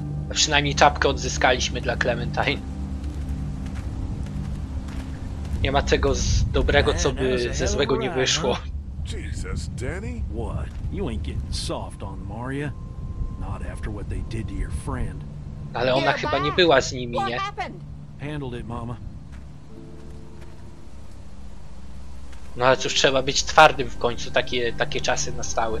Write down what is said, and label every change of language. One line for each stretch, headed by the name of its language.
Polish: Przynajmniej czapkę odzyskaliśmy dla Clementine. Nie ma tego z dobrego, co by ze złego nie wyszło.
English: Jesus, Danny. What? You ain't getting soft on them, are you? Not after what they did to your friend.
Polish: Ale ona chyba nie była z nimi, nie?
English: Handled it, mama.
Polish: No ale cóż, trzeba być twardym w końcu, takie czasy nastały.